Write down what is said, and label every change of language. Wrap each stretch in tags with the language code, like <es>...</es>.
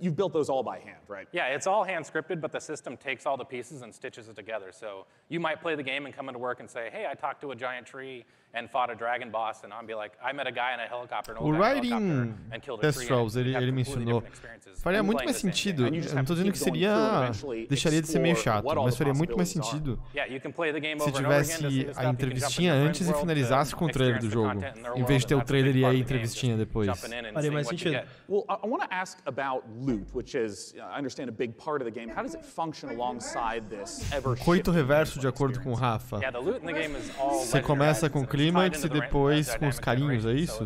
<en>You've built those all by hand, right? Yeah, it's all hand scripted, but the system takes all the pieces and stitches it together. So you might play the game and come into work and say, hey, I talked to a giant tree and fought a dragon boss, and I'll be like, I met a guy in a helicopter, and killed a tree.</en> <pt>Ele mencionou. Faria muito mais sentido. Eu não tô dizendo que seria... deixaria de ser meio chato, mas faria muito mais sentido se tivesse a entrevistinha antes e finalizasse com o trailer do jogo, em vez de ter o trailer e aí entrevistinha depois. Faria mais sentido.</pt> <en>Well, I want to ask about loot, which is, I understand, a big part of the game. How does it function alongside this ever-shifting?</en> <pt>Coito reverso, de acordo com o Rafa. Você começa com o clímax e depois com os carinhos, é isso?</pt>